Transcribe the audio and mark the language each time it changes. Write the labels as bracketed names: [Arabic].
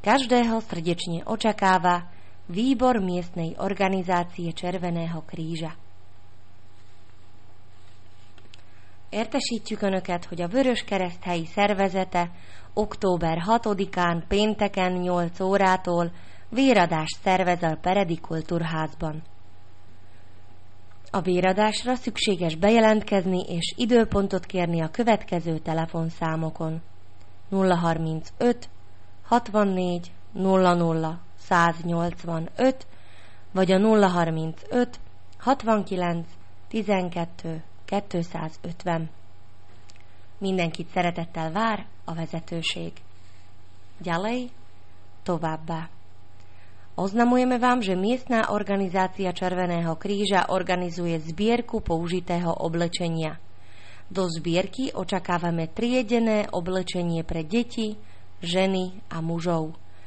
[Slovak] Každého srdečne očakáva výbor miestnej organizácie Červeného kríža. [Hungarian] Értesítjük Önöket, hogy a Vöröskereszt helyi szervezete október 6-án pénteken 8 órától véradást szervez a Peredi Kultúrházban. A véradásra szükséges bejelentkezni és időpontot kérni a következő telefonszámokon: 035 64 00 185 vagy a 035 69 12 250. Mindenkit szeretettel vár a vezetőség. [Slovak] Ďalej, [Hungarian] továbbá. [Slovak] Oznamujeme vám, že miestná organizácia Červeného kríža organizuje zbierku použitého oblečenia. Do zbierky očakávame triedené oblečenie pre deti, ženy a mužov.